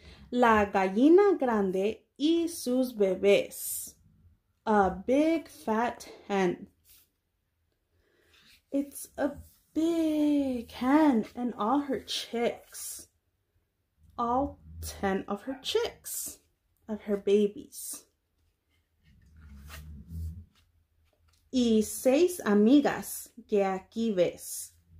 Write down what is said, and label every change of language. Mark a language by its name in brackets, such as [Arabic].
[Spanish] La gallina grande y sus bebés. [English] A big fat hen. It's a big hen and all her chicks. All 10 of her chicks, of her babies. [Spanish] Y seis amigas que aquí ves.